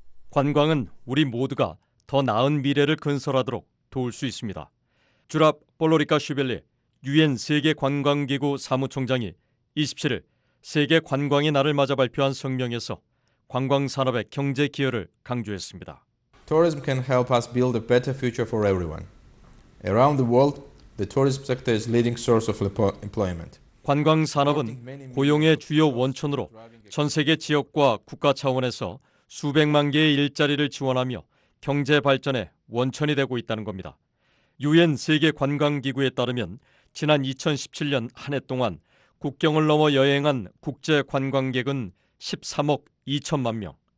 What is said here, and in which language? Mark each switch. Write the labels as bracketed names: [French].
[Korean] 관광은 우리 모두가 더 나은 미래를 건설하도록 도울 수 있습니다. 주랍 볼로리카 슈벨리 유엔 세계관광기구 사무총장이 27일 세계관광의 날을 맞아 발표한 성명에서 관광산업의 경제 기여를 강조했습니다. [English] Tourism can help us build a better future for everyone. Around the world, the tourism sector is leading source of employment. [Korean] 관광산업은 고용의 주요 원천으로 전 세계 지역과 국가 차원에서 수백만 개의 일자리를 지원하며 경제 발전의 원천이 되고 있다는 겁니다. 유엔 세계관광기구에 따르면 지난 2017년 한 해 동안 국경을 넘어 여행한 국제 관광객은 13억 2천만 명.